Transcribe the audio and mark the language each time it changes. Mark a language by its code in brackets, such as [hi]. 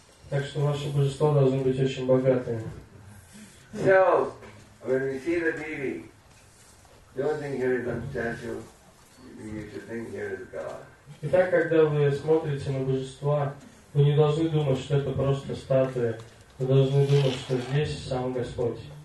[ru] Так что ваше божество должно быть очень богатым. [en] So, when we see the deity, don't think here is unstable. You should think here is God. [ru] Итак, когда вы смотрите на божества, вы не должны думать, что это просто статуя. Вы должны думать, что здесь сам Господь.